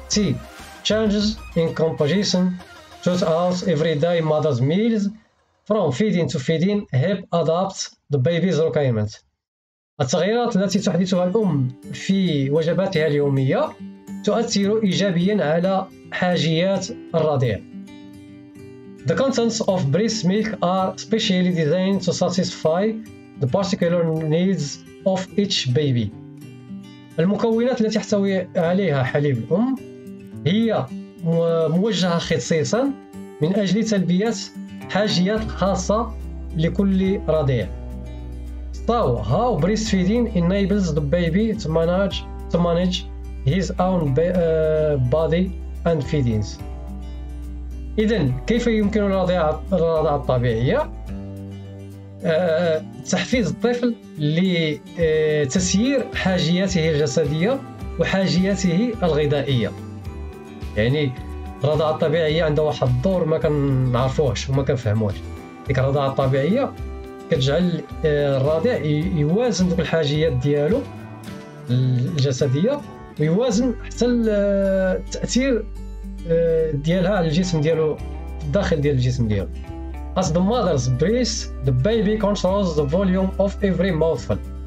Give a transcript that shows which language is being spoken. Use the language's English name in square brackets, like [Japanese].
[English] C. Changes in composition throughout everyday mother's meals from feeding to feeding help adapt the baby's requirements. [Arabic] التغييرات التي تحدثها الأم في وجباتها اليومية تؤثر إيجابيا على حاجيات الرضيع. [English] The contents of breast milk are specially designed to satisfy the particular needs of each baby. [Arabic] المكونات التي يحتوي عليها حليب الأم هي موجهة خصيصا من أجل تلبية حاجيات خاصة لكل رضيع. [English] So how breastfeeding enables the baby to manage his own body and feedings. [Arabic] إذن كيف يمكن الرضاعة الطبيعية تحفيز الطفل لتسيير حاجياته الجسدية وحاجياته الغذائية؟ يعني الرضاعة الطبيعية عندها واحد الدور ما كنعرفوهش وما كنفهموهش. ديك الرضاعة الطبيعية كتجعل الرضع يوازن دوك الحاجيات ديالو الجسدية ويوازن حتى التأثير ديالها على الجسم ديالو الداخل ديال الجسم ديالو. [English] As the mother's breast, the baby controls the volume of every mouthful.